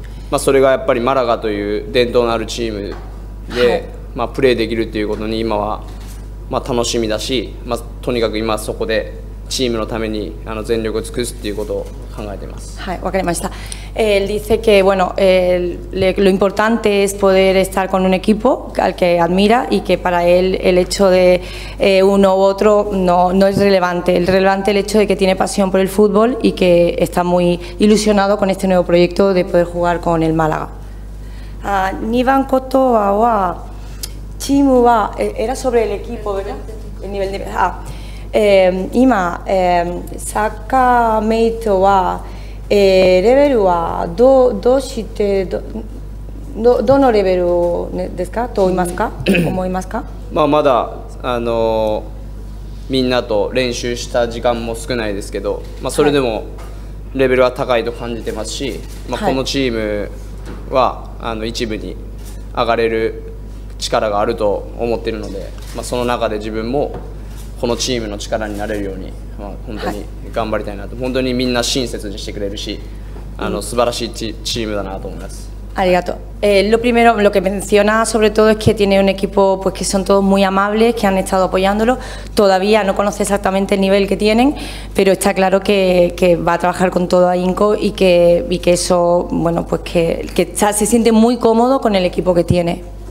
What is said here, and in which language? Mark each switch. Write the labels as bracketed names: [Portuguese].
[Japanese] まあそれがやっぱりマラガという伝統のあるチームで、はい、まあ、プレーできるということに今はまあ楽しみだし、まあ、とにかく今そこでチームのためにあの全力を尽くすということを考えています。はい、わかりました。 [Spanish] Él dice que bueno, lo importante es poder estar con un equipo al que admira y que para él el hecho de uno u otro no es relevante. Es relevante el hecho de que tiene pasión por el fútbol y que está muy ilusionado con este nuevo proyecto de poder jugar con el Málaga. [Japanese] 2 番ことはチームは [Spanish] era sobre el equipo, ¿verdad? El nivel de [Japanese] 今サッカーメイトはレベルはどうしてどのレベルですかと思いますか、うん、思いますか。まあ、まだあのみんなと練習した時間も少ないですけど、まあ、それでもレベルは高いと感じてますし、はい、まあ、このチームはあの一部に上がれる力があると思っているので、まあ、その中で自分もこのチームの力になれるように、まあ、本当に頑張りたいなと、はい、本当にみんな親切にしてくれるし、あの素晴らしい チームだなと思います。ありがとう。 [Spanish] Lo primero, lo que menciona sobre todo es que tiene un equipo pues que son todos muy amables, que han estado apoyándolo. Todavía no conoce exactamente el nivel que tienen, pero está claro que va a trabajar con todo ahínco y que eso, bueno, pues que se siente muy cómodo con el equipo que tiene.